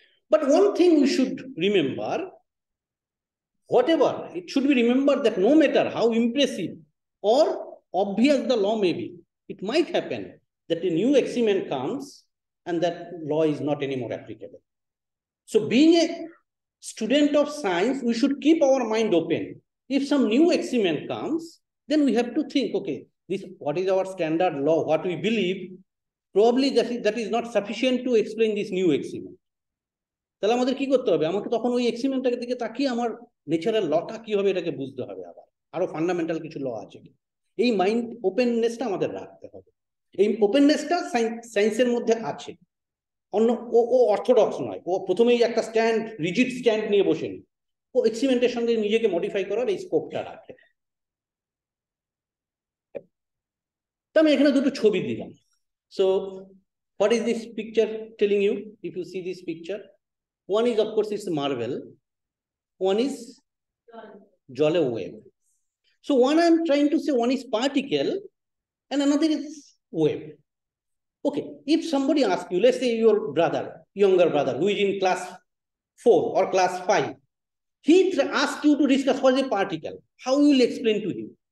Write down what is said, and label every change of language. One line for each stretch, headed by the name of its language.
English: But one thing we should remember, whatever, it should be remembered that no matter how impressive or obvious the law may be, it might happen that a new experiment comes and that law is not anymore applicable. So being a student of science, we should keep our mind open. If some new experiment comes, then we have to think, okay, this, what is our standard law, what we believe, probably that is not sufficient to explain this new axiom.
Bangla: তাহলে আমাদের কি করতে হবে, আমাকে তখন ওই এক্সিমেন্টটাকে দিকে তাকিয়ে আমার নেচারাল লটা কি হবে এটাকে বুঝতে হবে, আবার আরো ফান্ডামেন্টাল কিছু ল আছে কি, এই মাইন্ড ওপেননেসটা আমাদের রাখতে হবে। এই ওপেননেসটা সায়েন্সের মধ্যে আছে, অন্য ও অর্থোডক্স নয়, ও প্রথমেই একটা স্ট্যান্ড, রিজিড স্ট্যান্ড নিয়ে বসেনি, ও এক্সিমেন্টের সঙ্গে নিজেকে মডিফাই করার এই স্কোপটা রাখে। তো আমি এখানে দুটো ছবি দিলাম।
English: So what is this picture telling you, if you see this picture, one is of course it's marvel, one is jolly wave. So one I'm trying to say, one is particle and another is wave. Okay, if somebody asks you, let's say your brother, younger brother, who is in class 4 or class 5, he asks you to discuss what is a particle, how you will explain to him?